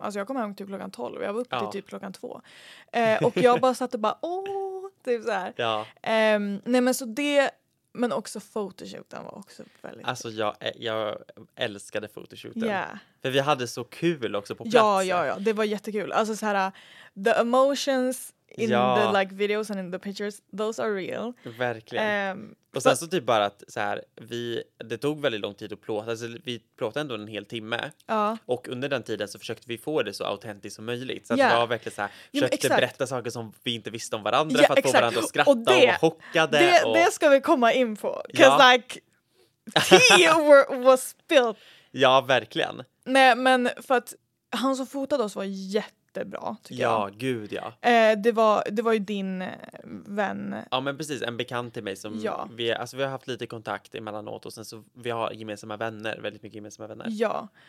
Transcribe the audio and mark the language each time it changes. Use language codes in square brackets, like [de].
[sv] Alltså jag kom hem typ klockan 12 och jag var uppe till typ klockan 2. Och jag bara satt och bara, åh, typ så här. Ja. Nej men så det, men också photoshooten var också väldigt... Alltså jag älskade photoshooten. Ja. Yeah. För vi hade så kul också på plats. Ja, det var jättekul. Alltså så här, [en] the emotions... in the like videos and in the pictures, those are real. [sv] Verkligen. Och sen så typ bara att så här, det tog väldigt lång tid att plåta. Alltså, vi plåtade ändå en hel timme. Och under den tiden så försökte vi få det så autentiskt som möjligt. Så att det var verkligen så här, försökte berätta saker som vi inte visste om varandra för att få varandra att skratta och vara chockade. Det ska vi komma in på. [en] Because like, tea was spilled. [sv] Ja, verkligen. Nej, men för att han som fotade oss var jättebra, tycker jag. Ja, gud ja. Det var ju din vän. Ja, men precis. En bekant till mig som vi har haft lite kontakt emellanåt och sen så vi har gemensamma vänner. Väldigt mycket gemensamma vänner. Ja.